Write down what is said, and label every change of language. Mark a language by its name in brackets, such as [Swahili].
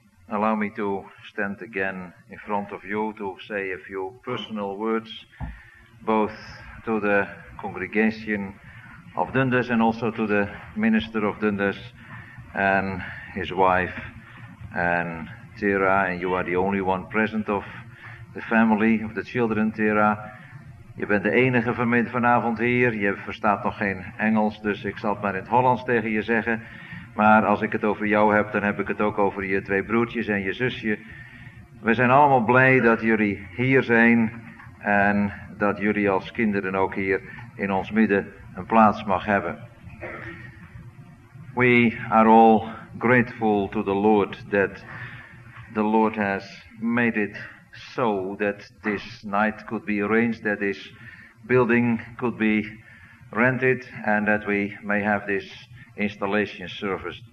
[English] allow me to stand again in front of you to say a few personal words, both to the congregation of Dundas and also to the minister of Dundas and his wife and Tira. And you are the only one present of the family, of the children, Tira. [Dutch] Je bent de enige vanavond hier. Je verstaat nog geen Engels, dus ik zal het maar in het Hollands tegen je zeggen. Maar als ik het over jou heb, dan heb ik het ook over je twee broertjes en je zusje. We zijn allemaal blij dat jullie hier zijn en dat jullie als kinderen ook hier in ons midden een plaats mag hebben. [English] We are all grateful to the Lord that the Lord has made it so that this night could be arranged, that this building could be rented, and that we may have this installation service.